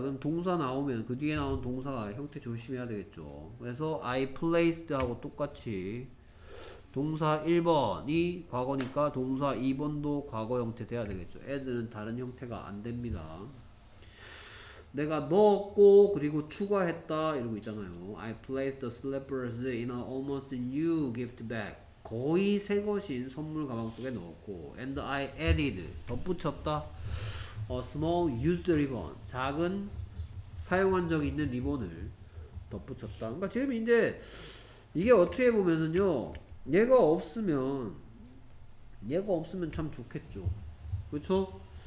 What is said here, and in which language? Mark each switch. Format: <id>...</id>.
<ko>그럼 동사 나오면 그 뒤에 나온 동사 형태 조심해야 되겠죠. 그래서 I placed 하고 똑같이 동사 1번이 과거니까 동사 2번도 과거 형태 돼야 되겠죠. Add는 다른 형태가 안 됩니다. 내가 넣었고 그리고 추가했다 이러고 있잖아요.</ko> <en>I placed the slippers in an almost new gift bag.</en> <ko>거의 새 것인 선물 가방 속에 넣었고.</ko> <en>And I added,</en> <ko>덧붙였다.</ko> <en>A small used ribbon.</en> <ko>작은 사용한 적 있는 리본을 덧붙였다. 그러니까 지금 이제 이게 어떻게 보면은요, 얘가 없으면 참 좋겠죠. 그렇죠?</ko>